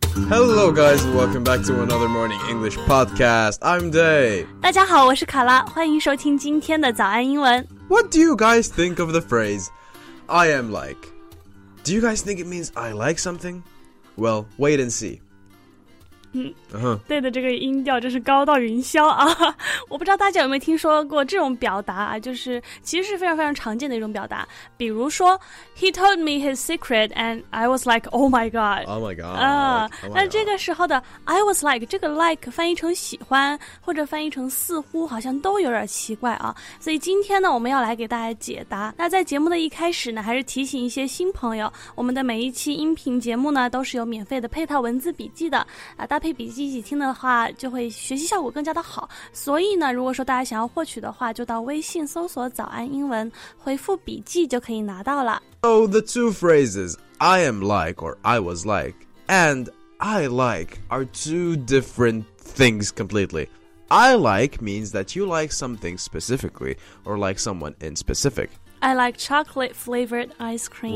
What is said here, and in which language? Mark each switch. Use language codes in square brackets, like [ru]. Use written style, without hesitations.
[en] Hello, guys, and welcome back to another Morning English podcast. I'm Day. [zh] 大家好，我是卡拉，欢迎收听今天的早安英文。 [en] What do you guys think of the phrase, I am like? Do you guys think it means I like something? Well, wait and see. [zh] 对的，这个音调真是高到云霄啊！我不知道大家有没有听说过这种表达啊，就是其实是非常非常常见的一种表达。比如说 [en] ，He told me his secret, and I was like, "Oh my god!" Oh my god! [zh] 但这个时候的 [en] "I was like" [zh] 这个 "like" 翻译成喜欢或者翻译成似乎，好像都有点奇怪啊。所以今天呢，我们要来给大家解答。那在节目的一开始呢，还是提醒一些新朋友，我们的每一期音频节目呢，都是有免费的配套文字笔记的啊，大。搭配笔记一起听的话就会学习效果更加的好，所以呢，如果说大家想要获取的话，就到微信搜索早安英文，回复笔记就可以拿到了。 [en] So the two phrases I am like or I was like and I like are two different things completely. I like means that you like something specifically or like someone in specific I like chocolate flavored ice cream.